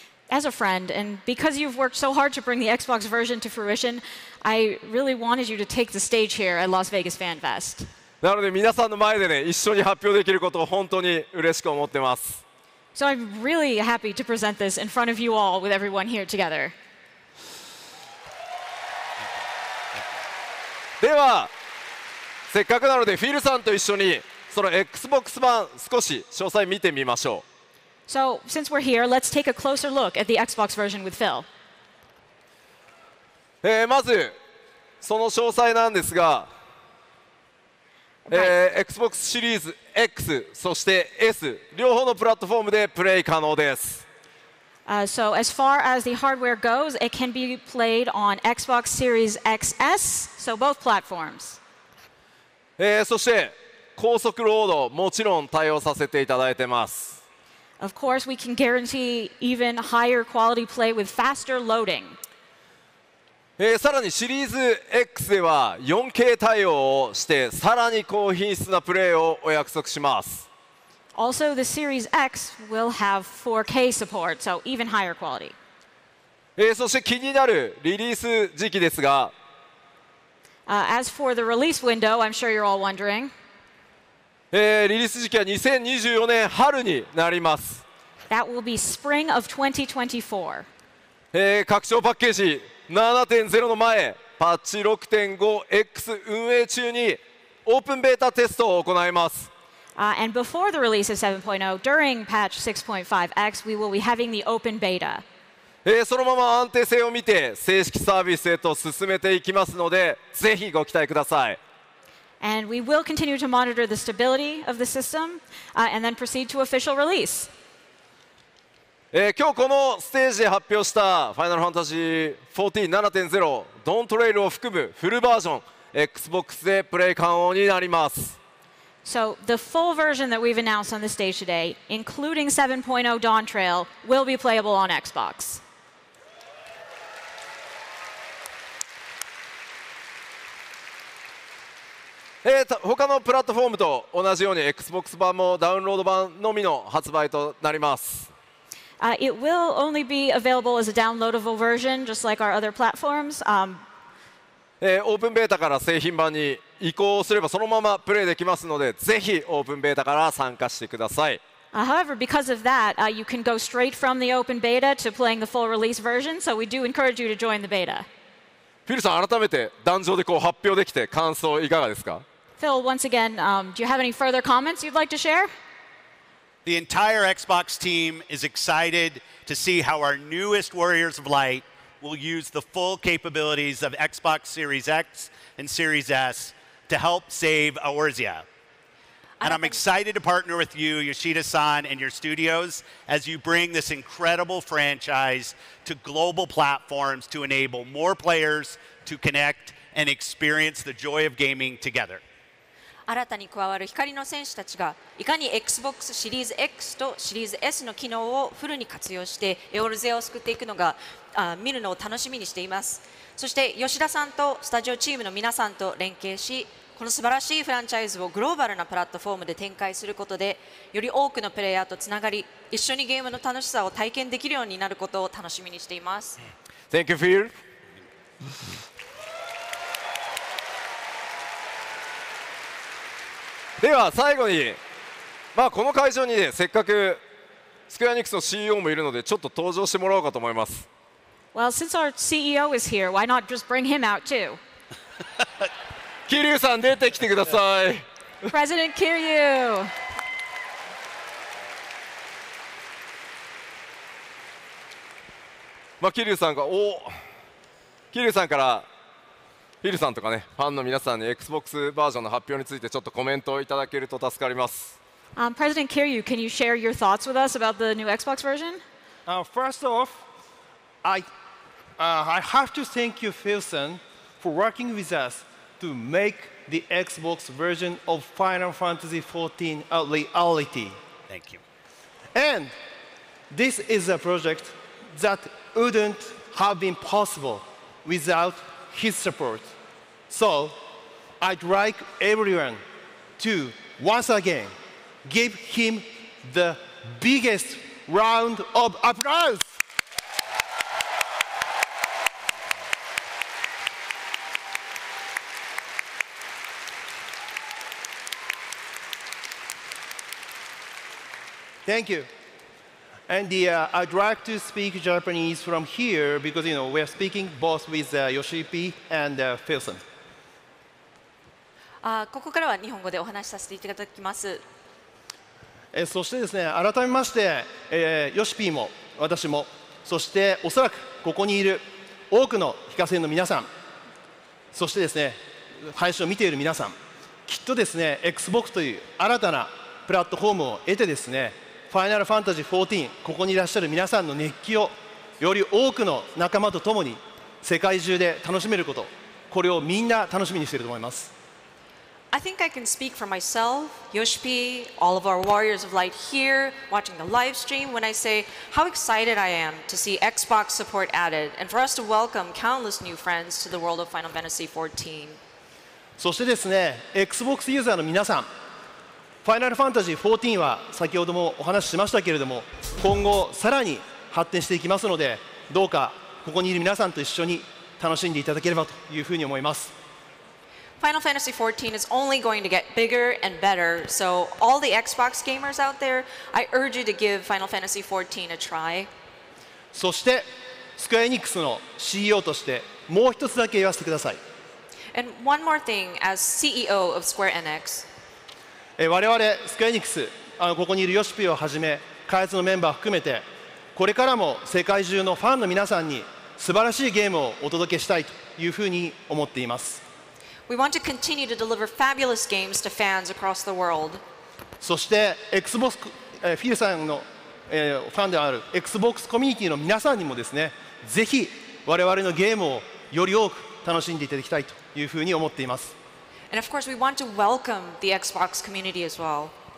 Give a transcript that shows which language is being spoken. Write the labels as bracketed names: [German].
[English] As a friend and because you've worked so hard to bring the Xbox version to fruition, I really wanted you to take the stage here at Las Vegas Fan Fest. [Japanese] なので皆さんの前でね、一緒に発表できることを本当に嬉しく思ってます。 [English] So I'm really happy to present this in front of you all with everyone here together. [Japanese] では、せっかくなのでフィルさんと一緒にその Xbox 版少し詳細見てみましょう。 [English] So since we're here, let's take a closer look at the Xbox version with Phil. [Japanese] まずその詳細なんですが、Xbox シリーズ X そして S 両方のプラットフォームでプレイ可能です。 [English] So as far as the hardware goes, it can be played on Xbox Series XS, so both platforms. [Japanese] そして高速ロードもちろん対応させていただいてます。 [English] Of course, we can guarantee even higher quality play with faster loading. [Japanese] さらにシリーズ X では 4K 対応をしてさらに高品質なプレイをお約束します。 [English] Also, the Series X will have 4K support, so even higher quality. [Japanese] そして気になるリリース時期ですが、 [English] As for the release window, I'm sure you're all wondering. [Japanese] リリース時期は2024年春になります。 [English] That will be spring of 2024. [Japanese] 拡張パッケージ 7.0 の前、パッチ 6.5X 運営中にオープンベータテストを行います。 [English] And before the release of 7.0, during patch 6.5X, we will be having the open beta. [Japanese] そのまま安定性を見て正式サービスへと進めていきますので、ぜひご期待ください。 [English] And we will continue to monitor the stability of the system, and then proceed to official release. [Japanese] 今日このステージで発表した Final Fantasy XIV 7.0 ドントレイルを含むフルバージョン Xbox でプレイ可能になります。 [English] So the full version that we've announced on the stage today including 7.0 Dawn Trail will be playable on Xbox. [Japanese] 他のプラットフォームと同じように Xbox 版もダウンロード版のみの発売となります。 [English] It will only be available as a downloadable version, just like our other platforms. [Japanese] オープンベータから製品版に移行すればそのままプレイできますので、ぜひオープンベータから参加してください。 [English] However, because of that, you can go straight from the open beta to playing the full release version, so we do encourage you to join the beta. [Japanese] フィルさん、改めて壇上でこう発表できて感想いかがですか? [English] Phil, once again, do you have any further comments you'd like to share? The entire Xbox team is excited to see how our newest Warriors of Light will use the full capabilities of Xbox Series X and Series S to help save Aorzea. And I'm excited to partner with you, Yoshida-san, and your studios as you bring this incredible franchise to global platforms to enable more players to connect and experience the joy of gaming together. [Japanese] 新たに加わる光の戦士たちがいかに Xbox シリーズ X とシリーズ S の機能をフルに活用してエオルゼアを救っていくのが見るのを楽しみにしています。そして吉田さんとスタジオチームの皆さんと連携し、この素晴らしいフランチャイズをグローバルなプラットフォームで展開することで、より多くのプレイヤーとつながり、一緒にゲームの楽しさを体験できるようになることを楽しみにしています。 [English] Thank you, Phil. [Japanese] では最後に、まあ、この会場に、ね、せっかくスクエアニックスの CEO もいるのでちょっと登場してもらおうかと思います。 [English] Well, since our CEO is here, why not just bring him out too? [Japanese] キリュウさん出てきてください。 [English] President キリュウ。 [Japanese] まあ、キリュウさんが、おキリュウさんから。フィルさんとかね、ファンの皆さんに Xbox バージョンの発表についてちょっとコメントをいただけると助かります。 [English] President Kiryu, can you share your thoughts with us about the new Xbox version? First off, I have to thank you, Philson, for working with us to make the Xbox version of Final Fantasy XIV a reality. Thank you. And this is a project that wouldn't have been possible without his support. So, I'd like everyone to once again give him the biggest round of applause. Thank you. And I'd like to speak Japanese from here because, you know, we're speaking both with Yoshi-P and Philson. [Japanese] ここからは日本語でお話しさせていただきます。そしてですね、改めまして、Yoshi-P も私も、そしておそらくここにいる多くの非課税の皆さん、そしてですね、配信を見ている皆さん、きっとですね、Xbox という新たなプラットフォームを得てですね、Final Fantasy XIV、ここにいらっしゃる皆さんの熱気をより多くの仲間と共に世界中で楽しめること、これをみんな楽しみにしていると思います。 [English] I think I can speak for myself, Yoshi-P, all of our Warriors of Light here, watching the live stream, when I say how excited I am to see Xbox support added and for us to welcome countless new friends to the world of Final Fantasy XIV. [Japanese] そしてですね、Xbox ユーザーの皆さん、Final Fantasy XIV は先ほどもお話ししましたけれども、今後さらに発展していきますので、どうかここにいる皆さんと一緒に楽しんでいただければというふうに思います。 [English] Final Fantasy XIV is only going to get bigger and better, so all the Xbox gamers out there, I urge you to give Final Fantasy XIV a try. [Japanese] そして、Square Enix の CEO としてもう一つだけ言わせてください。 [English] And one more thing, as CEO of Square Enix. [Japanese] 我々、Square Enix、ここにいるヨシピをはじめ、開発のメンバー含めて、これからも世界中のファンの皆さんに素晴らしいゲームをお届けしたいというふうに思っています。 [English] We want to continue to deliver fabulous games to fans across the world. [Japanese] そして Xbox、フィルさんの、ファンである Xbox コミュニティの皆さんにもですね、ぜひ我々のゲームをより多く楽しんでいただきたいというふうに思っています。 [English] And of course, we want to welcome the Xbox community as well.